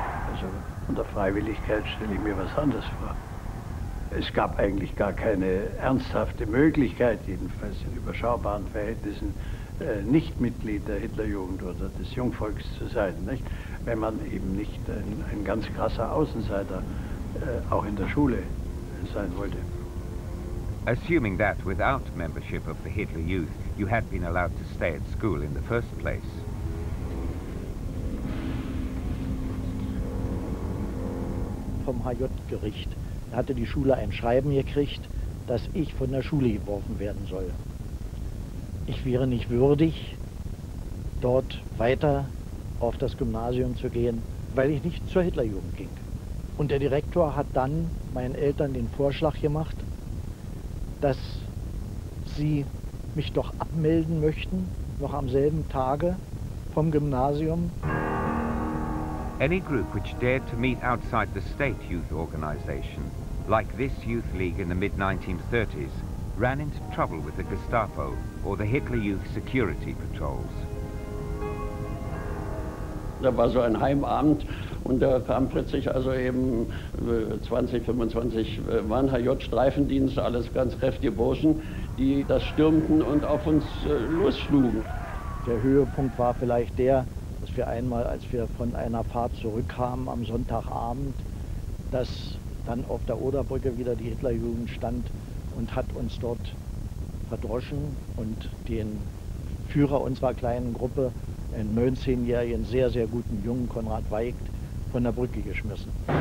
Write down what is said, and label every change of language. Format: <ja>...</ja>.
<de>Also unter Freiwilligkeit stelle ich mir was anderes vor. Es gab eigentlich gar keine ernsthafte Möglichkeit, jedenfalls in überschaubaren Verhältnissen, nicht Mitglied der Hitlerjugend oder des Jungvolks zu sein, nicht? Wenn man eben nicht ein ganz krasser Außenseiter auch in der Schule sein wollte.</de> <en>Assuming that without membership of the Hitler Youth, you had been allowed to stay at school in the first place.</en> <de>Vom HJ-Gericht hatte die Schule ein Schreiben gekriegt, dass ich von der Schule geworfen werden soll. Ich wäre nicht würdig, dort weiter auf das Gymnasium zu gehen, weil ich nicht zur Hitlerjugend ging. Und der Direktor hat dann meinen Eltern den Vorschlag gemacht, dass sie mich doch abmelden möchten, noch am selben Tage vom Gymnasium.</de> <en>Any group which dared to meet outside the state youth organization, like this youth league in the mid-1930s, ran into trouble with the Gestapo or the Hitler Youth Security Patrols.</en> <de>Da war so ein Heimabend und da kamen plötzlich also eben 20, 25 Mann, HJ-Streifendienst, alles ganz kräftige Burschen, die das stürmten und auf uns losschlugen. Der Höhepunkt war vielleicht der, dass wir einmal, als wir von einer Fahrt zurückkamen am Sonntagabend, dass dann auf der Oderbrücke wieder die Hitlerjugend stand und hat uns dort verdroschen und den Führer unserer kleinen Gruppe, einen 19-jährigen, sehr, sehr guten Jungen, Konrad Weigt, von der Brücke geschmissen.</de>